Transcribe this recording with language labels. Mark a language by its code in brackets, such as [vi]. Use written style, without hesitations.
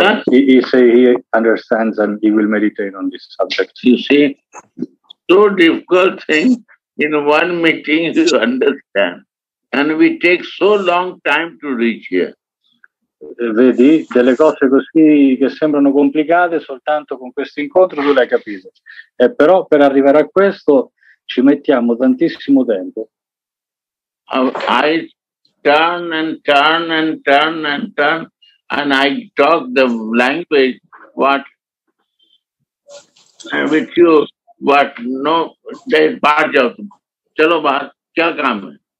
[en] He say he understands and he will meditate on this subject. You see, so difficult thing in one meeting you understand. And we take so long time to reach here. [it] Vedi, delle cose così che sembrano complicate soltanto con questo incontro tu l'hai capito. E però per arrivare a questo ci mettiamo tantissimo tempo. [en] I turn and turn and turn and turn and I talk the language what with you what no they part of [hi] chalo baat kya kaam hai